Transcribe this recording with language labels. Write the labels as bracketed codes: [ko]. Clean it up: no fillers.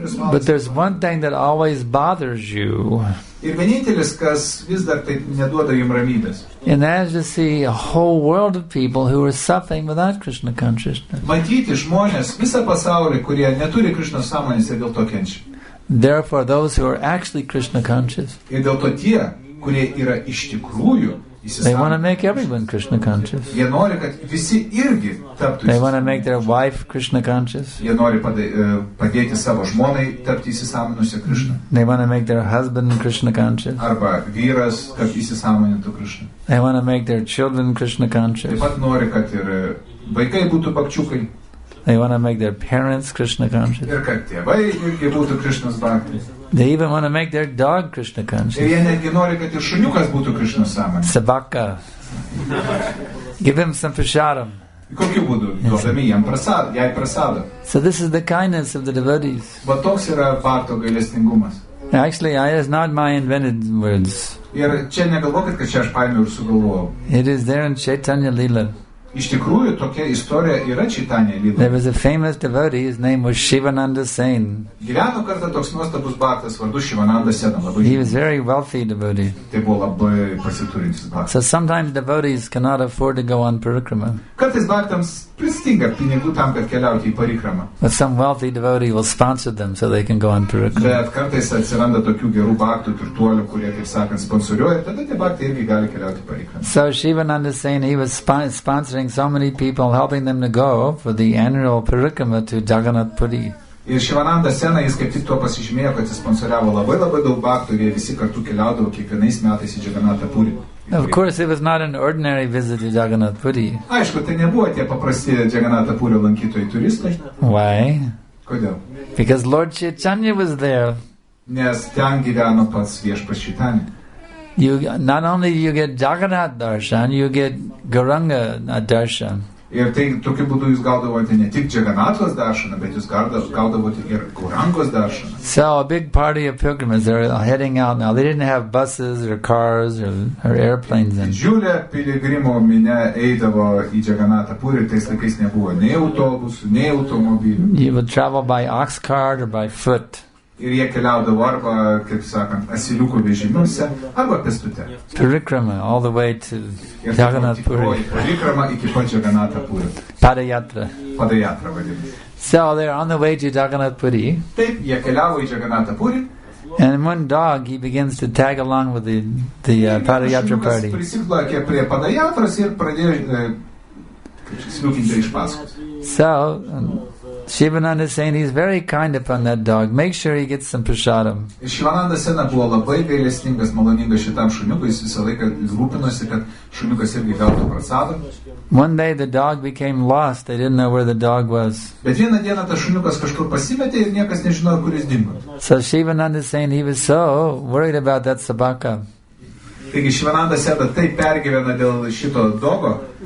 [en] But there's one thing that always bothers you. [lt] Ir vienintelis, kas vis dar taip neduoda jums ramybės. [en] And as you see a whole world of people who are suffering without Krishna consciousness. [lt] Matyti žmonės visą pasaulį, kurie neturi Krishna sąmonės ir dėl to kenčia. [en] Therefore, those who are actually Krishna conscious. [lt] Ir dėl to tie, kurie yra iš tikrųjų. [en] They want to make everyone Krishna conscious. [lt] Jie nori, kad visi irgi taptų. [en] They want to make their wife Krishna conscious. [lt] Jie nori padėti savo žmonai tapti įsisąmoninusią Krishna. [en] They want to make their husband Krishna conscious. [lt] Arba vyras, kad įsisąmonintų Krishna. [en] They want to make their children Krishna conscious. [lt] Taip pat nori, kad ir vaikai būtų bakčiukai. [en] They want to make their parents Krishna conscious. [lt] Ir kad tėvai irgi būtų Krishnos bhakti. [en] They even want to make their dog Krishna conscious. [lt] Jie netgi nori, kad ir šuniukas būtų Krishna sąmonė. [en] Sabaka. Give him some prasadam. [lt] Kokiu būdu? Duodami jam prasadą, jai prasadą. [en] So this is the kindness of the devotees. [lt] Va toks yra bhakto gailestingumas. [en] Actually, it is not my invented words. [lt] Ir čia negalvokit, kad čia aš paėmiau ir sugalvojau. [en] It is there in Chaitanya Lila. [lt] Iš tikrųjų, tokia istorija yra Chaitanya Lila. [en] There was a famous devotee, his name was Shivananda Sen. [lt] Gyveno kartą toks nuostabus bhaktas vardu Shivananda Sen. [en] He was very wealthy devotee. [lt] Tai buvo labai pasiturintis bhaktas. [en] So sometimes devotees cannot afford to go on parikrama. [lt] Kad kartais baktams pristinga pinigų tam, kad keliauti į parikramą. [en] But some wealthy devotee will sponsor them so they can go on parikrama. [lt] Bet kartais atsiranda tokių gerų baktų turtuolių, kurie, kaip sakant, sponsoriuoja, tada tie baktai irgi gali keliauti į parikramą. [en] So Shivananda saying he was sponsoring so many people, helping them to go for the annual parikrama to Jagannath Puri. [lt] Ir Šivananda Sena, jis kaip tik tuo pasižymėjo, kad jis sponsoriavo labai labai daug baktų ir jie visi kartu keliaudavo kiekvienais metais į Jagannatha Puri. [en] Of course, it was not an ordinary visit to Jagannath Puri. [lt] Aišku, tai nebuvo tie paprasti Jagannatha Purio lankytojai turistai. [en] Why? [lt] Kodėl? [en] Because Lord Chaitanya was there. [lt] Nes ten gyveno pats viešpats Chaitanya. [en] You, not only you get Jagannath Darshan, you get Gauranga Darshan. [lt] Ir tai, tokiu būdu jūs gaudavote ne tik Jagannatha Darshaną, bet jūs gaudavote ir Gaurangos Darshaną. [en] So a big party of pilgrims are heading out now. They didn't have buses or cars or airplanes. [lt] Didžiulė piligrimo minė eidavo į Jagannatha Puri, tais laikais nebuvo nei autobusų, nei automobilių. [en] You would travel by ox cart or by foot. [lt] Ir jie keliaudavo arba, kaip sakant, asiliukų vežimuose, arba pestute. [en] Parikrama, all the way to Jagannath Puri. [lt] Parikrama iki pat Jagannatha Puri. [en] Padayatra. [lt] Padayatra vadinasi. [en] So they're on the way to Jagannath Puri. [lt] Taip, jie keliavo į Jagannatha Puri. [en] And one dog, he begins to tag along with the Padayatra party. [lt] Ir prisiplakė prie Padayatras ir pradėjo, kaip sakant, iš paskos. [en] Shivananda is saying he's very kind upon that dog. Make sure he gets some prasadam. [lt] Shivananda Sena buvo labai gailestingas, maloningas šitam šuniukui. Jis visą laiką rūpinosi, kad šuniukas irgi gautų prasadam. [en] One day the dog became lost. They didn't know where the dog was. [lt] Bet vieną dieną tas šuniukas kažkur pasimetė ir niekas nežinojo, kur jis dingo. [en] So Shivananda is saying he was so worried about that sabaka. [lt] Taigi Shivananda Sena taip pergyvena dėl šito dogo.